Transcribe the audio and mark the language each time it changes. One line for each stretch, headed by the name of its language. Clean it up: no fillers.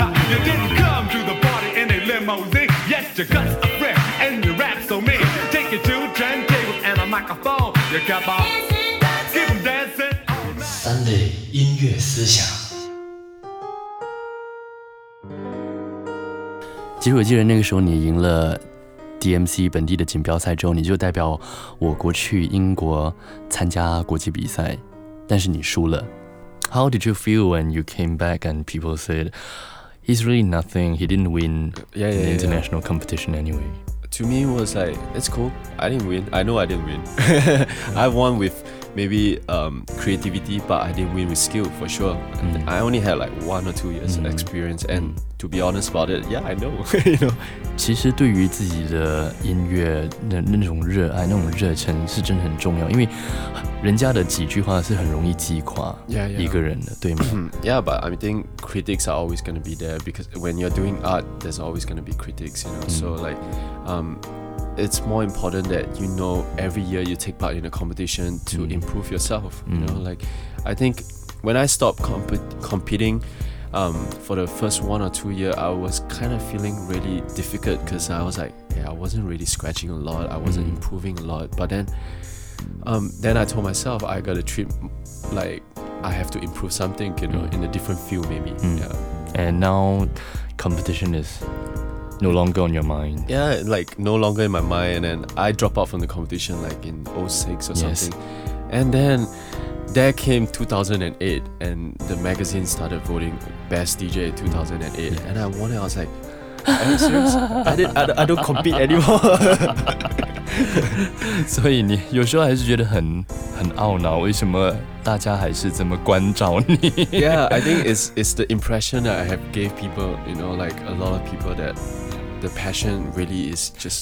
English: You didn't come to the party in a limousine. Yet your guts are fresh and your rap so mean. Take your two turntables and a microphone. You kept on keep them dancing.
Chinese: Sunday 音乐思想。其实我记得那个时候你赢了DMC 本地的锦标赛之后，你就代表我国去英国参加国际比赛，但是你输了。
English: How did you feel when you came back and people said he's really nothing, he didn't win the international competition anyway? To me, it was like, it's cool. I didn't win. I know I didn't win. I won with maybe creativity, but I didn't win with skill for sure. And I only had like 1 or 2 years of experience and to be honest about it, yeah, I know. You know?
Chinese: 其实对于自己的音乐 那种热爱，那种热忱是真的很重要，因为人家的几句话是很容易击垮一个人的， yeah, yeah. 对吗？
English: Yeah, but I think critics are always going to be there because when you're doing art, there's always going to be critics, you know? So like, it's more important that you know every year you take part in a competition to improve yourself, you know? Like, I think when I stopped competing, for the first 1 or 2 years, I was kind of feeling really difficult because I was like, yeah, I wasn't really scratching a lot, I wasn't improving a lot. But then I told myself, I gotta treat like I have to improve something, you know, in a different field maybe. Yeah. And now competition is no longer on your mind. Yeah, like no longer in my mind. And then I dropped out from the competition like in 06 or something. And then there came 2008, and the magazine started voting best DJ 2008, and I won it. I was like, "Are you serious? I don't compete anymore."
Chinese: 所以你有时候还是觉得很懊恼，为什么大家还是这么关照你
English: ？Yeah, I think it's the impression that I have gave people. You know, like a lot of people that. The passion really is just...